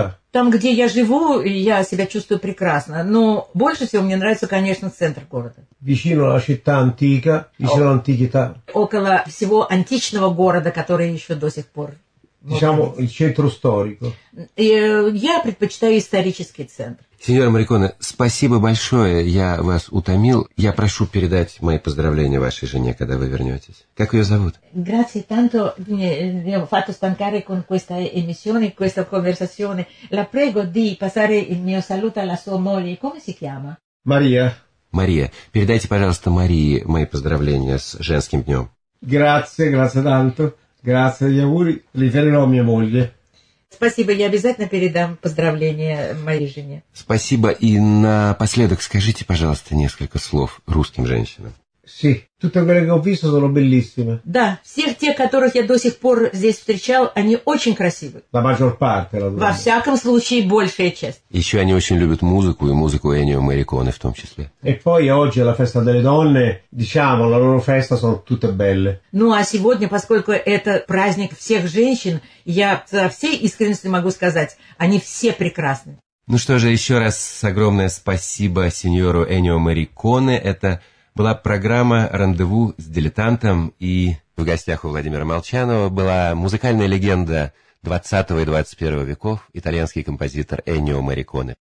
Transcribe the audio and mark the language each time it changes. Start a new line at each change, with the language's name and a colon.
Russian: Там, где я живу, я себя чувствую прекрасно. Но больше всего мне нравится, конечно, центр города.
Italian: Vicino alla città antica, vicino all'antichità.
Russian: Около всего античного города, который еще до сих пор.
Italian: Diciamo il centro storico.
Russian: Я предпочитаю исторический центр. Сеньор Морриконе, спасибо большое, я вас утомил. Я прошу передать мои поздравления вашей жене, когда вы вернетесь. Как ее зовут?
Italian: Grazie tanto, mi ho fatto stancare con questa emissione, questa conversazione. La prego di passare il mio saluto alla sua moglie. Come si chiama? Maria.
Russian: Maria, передайте, пожалуйста, Марии мои поздравления с женским днем.
Italian: Grazie, grazie tanto. Grazie, gli auguri. Li ferirò mia moglie.
Russian: Спасибо, я обязательно передам поздравления моей жене. Спасибо, и напоследок скажите, пожалуйста, несколько слов русским женщинам.
Italian: Sì, tutte quelle che ho visto sono bellissime.
Russian: Да, всех тех, которых я до сих пор здесь встречал, они очень красивы.
Italian: La maggior parte, la
Russian: Во всяком случае, большая часть. Еще они очень любят музыку, и музыку Эннио Морриконе в том числе.
Italian: E poi oggi è la festa delle donne, diciamo, la loro festa sono tutte belle.
Russian: Ну а сегодня, поскольку это праздник всех женщин, я со всей искренностью могу сказать, они все прекрасны. Ну что же, еще раз огромное спасибо сеньору Эннио Морриконе. Это была программа «Рандеву с дилетантом», и в гостях у Владимира Молчанова была музыкальная легенда 20 и 21 веков, итальянский композитор Эннио Морриконе.